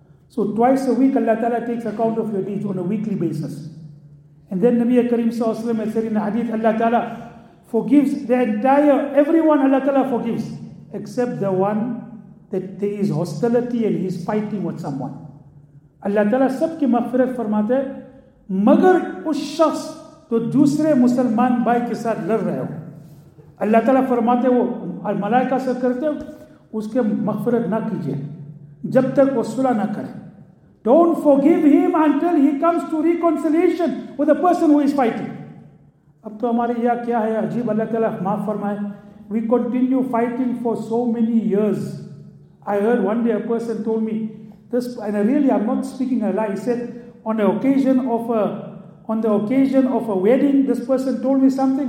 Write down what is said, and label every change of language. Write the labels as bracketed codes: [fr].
[en] So twice a week, Allah Ta'ala takes account of your deeds on a weekly basis. And then Nabi Kareem sallallahu alaihi wasallam said in the hadith, Allah Ta'ala forgives the entire, everyone Allah Ta'ala forgives, except the one that there is hostility and he is fighting with someone. [ur] Allah Ta'ala sab ki maghfirat farmata hai, magar us shakhs, تو دوسرے مسلمان بھائی کے ساتھ لڑ رہے ہو اللہ تعالیٰ فرماتے ہو ملائکہ سے کرتے ہو اس کے مغفرت نہ کیجئے جب تک وہ صلح نہ کریں [en] Don't forgive him until he comes to reconciliation with the person who is fighting. [ur] Ab to hamari ya kya hai ajeeb, Allah taala maaf farmaye. [en] We continue fighting for so many years. I heard one day a person told me this, and really I'm not speaking a lie. He said on the occasion of a wedding, this person told me something.